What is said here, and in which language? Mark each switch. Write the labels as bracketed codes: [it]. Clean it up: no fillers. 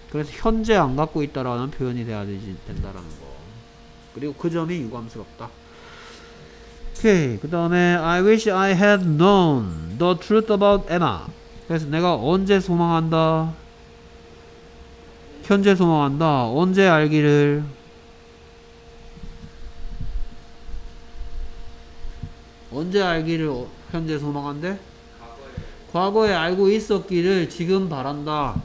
[ko] 그래서 현재 안 갖고 있다라는 표현이 돼야 된다라는 거. 그리고 그 점이 유감스럽다. 오케이. 그 다음에 [en] I wish I had known the truth about Emma. [ko] 그래서 내가 언제 소망한다? 현재 소망한다. 언제 알기를? 언제 알기를 현재 소망한대? 과거에 알고 있었기를 지금 바란다.